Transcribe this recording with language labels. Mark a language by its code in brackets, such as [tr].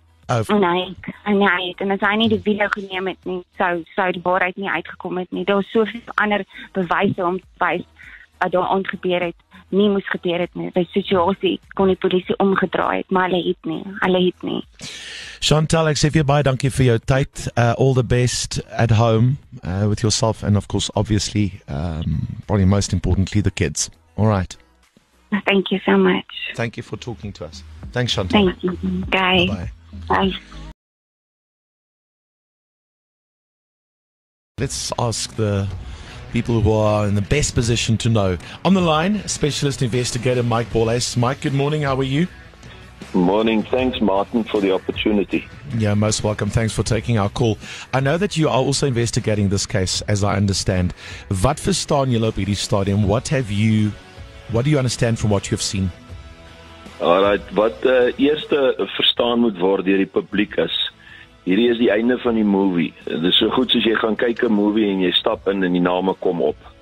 [af] En as hy nie die video geneem het nie, sou die waarheid nie uitgekom het nie. Daar was soveel ander bewyse om te wys wat daar aangebeur het. Nie moes gebeur het nie. By situasie kon die polisie omgedraai het, maar hulle het nie. Chantal, ek sê vir jou baie dankie vir jou tyd. [en] All the best at home with yourself and of course, obviously, probably most importantly, the kids. All right. Thank you so much. Thank you for talking to us. Thanks, Chantal. Thank you. Bye. Bye. Let's ask the people who are in the best position to know. On the line, specialist investigator Mike Bolhuis. Mike, good morning. How are you? Morning. Thanks, Martin, for the opportunity. Yeah, most welcome. Thanks for taking our call. I know that you are also investigating this case, as I understand. [af] Wat verstaan julle op hierdie stadium? [en] What do you understand from what you have seen? All right. [af] Wat eerste verstaan moet word deur die publiek is, hierdie is die einde van die movie. Dit is so goed soos jy gaan kyk 'n movie en jy stap in en die name kom op.